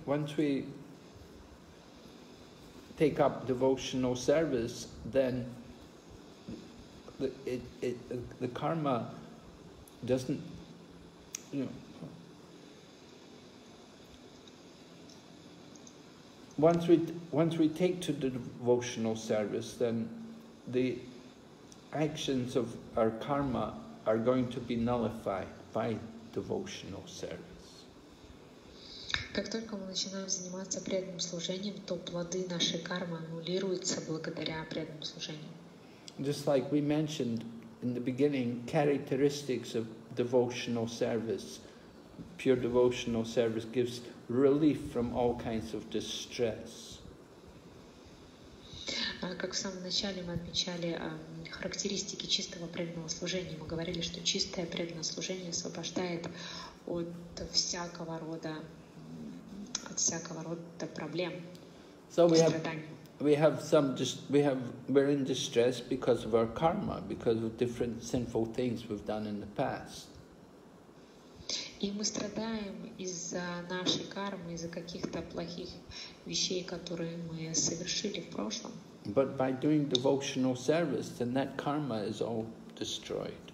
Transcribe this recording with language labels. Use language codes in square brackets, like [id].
[en] Because once we take up devotional service, then the karma doesn't, you know. Once we take to the devotional service, then the actions of our karma are going to be nullified by devotional service. [ru] Как только мы начинаем заниматься преданным служением, то плоды нашей кармы аннулируются благодаря преданному служению. [en] Just like we mentioned in the beginning, characteristics of devotional service, pure devotional service gives relief from all kinds of distress. [ru] Как в самом начале мы отмечали характеристики чистого преданного служения, мы говорили, что чистое преданное служение освобождает от всякого рода проблем. [en] So we're in distress because of our karma, because of different sinful things we've done in the past. [ru] И мы страдаем из-за нашей кармы, из-за каких-то плохих вещей, которые мы совершили в прошлом. [en] But by doing devotional service, then that karma is all destroyed.